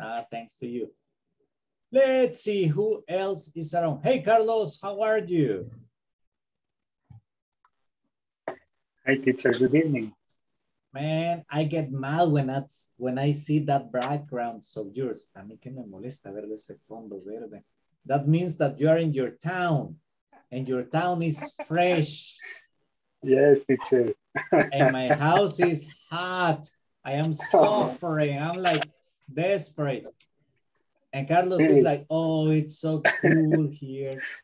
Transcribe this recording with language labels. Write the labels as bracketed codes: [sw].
[en] Thanks to you. Let's see who else is around. Hey, Carlos, how are you? Hi, teacher. Good evening. Man, I get mad when I see that background of yours. [es] A mí que me molesta ver ese fondo verde. [en] That means that you are in your town and your town is fresh. Yes, teacher. And my house is hot. I am suffering. I'm like desperate. And Carlos is like, oh, it's so cool here.